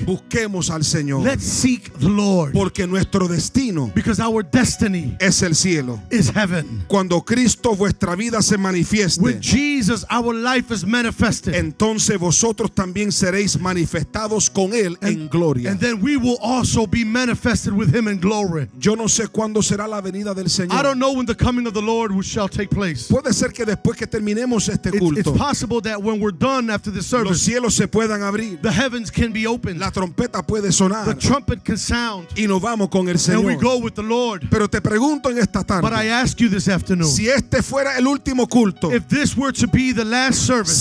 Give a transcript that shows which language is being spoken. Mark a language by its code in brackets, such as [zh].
[es] busquemos al Señor, [en] let's seek the Lord, [es] porque nuestro destino, [en] because our destiny, [es] es el cielo, [en] is heaven, [es] cuando Cristo vuestra vida se manifieste, [en] with Jesus our life is manifested, [es] entonces vosotros también seréis manifestados con él en gloria, [en] and then we will also be manifested with him in glory. [es] Yo no sé cuándo será la venida del Señor. [en] I don't know when the coming of the Lord shall take place. [es] Puede ser que después que terminemos este culto, [en] it's possible that when we're done after this service, [es] los cielos se puedan abrir, [en] the heavens can be opened, [es] la trompeta puede sonar, [en] the trumpet can sound, [es] y nos vamos con el Señor, [en] and we go with the Lord. [es] Pero te pregunto en esta tarde, [en] but I ask you this afternoon, [es] si este fuera el último culto, [en] if this were to be the last service,